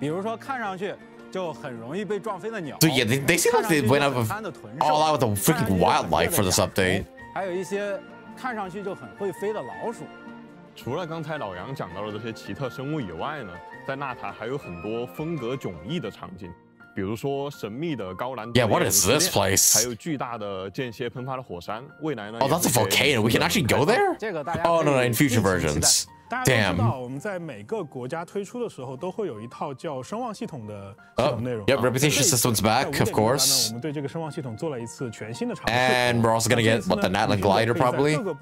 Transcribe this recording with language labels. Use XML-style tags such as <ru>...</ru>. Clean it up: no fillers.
<zh>我们在纳塔的旅程中还有许多神奇的生物，比如说看上去就很容易被撞飞的鸟。</zh> <en>Dude, yeah, they seem like they went out of all out with the freaking wildlife for this update。</en> <zh>还有一些看上去就很会飞的老鼠。除了刚才老杨讲到的这些奇特生物以外呢，在纳塔还有很多风格迥异的场景，比如说神秘的高兰。</zh> <en>Yeah, what is this place?</en> <zh>还有巨大的间歇喷发的火山。未来呢？</zh> <en>Oh, that's a volcano. We can actually go there? Oh, no, in future versions.</en> <zh>大家知道，我们在每个国家推出的时候，都会有一套叫声望系统的内容。</zh> <en>Yep, reputation system's back, of course.</en> <zh>那我们对这个声望系统做了一次全新的尝试。</zh> <en>And we're also gonna get the Natlan glider, probably.</en>